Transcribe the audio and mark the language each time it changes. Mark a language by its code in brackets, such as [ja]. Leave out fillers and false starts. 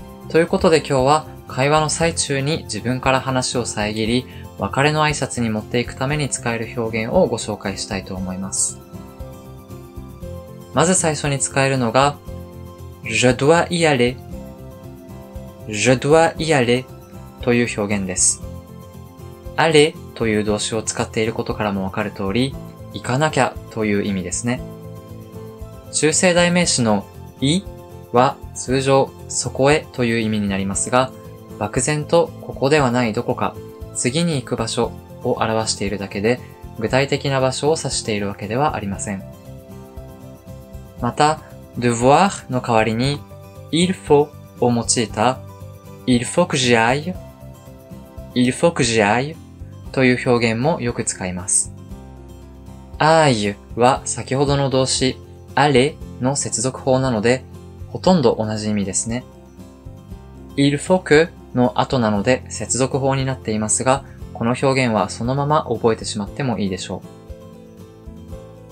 [ja] ということで今日は、会話の最中に自分から話を遮り、別れの挨拶に持っていくために使える表現をご紹介したいと思います。まず最初に使えるのが、 [fr] Je dois y aller。 Je dois y aller [ja] という表現です。 aller という動詞を使っていることからもわかる通り、行かなきゃという意味ですね。中性代名詞の y は通常、そこへという意味になりますが、漠然とここではないどこか、次に行く場所を表しているだけで、具体的な場所を指しているわけではありません。また、devoir の代わりに、il faut を用いた、 [fr] il faut que j'y aille、 il faut que j'y aille [ja] という表現もよく使います。 aille は先ほどの動詞、aller の接続法なので、ほとんど同じ意味ですね。 il faut que の後なので接続法になっていますが、この表現はそのまま覚えてしまってもいいでしょう。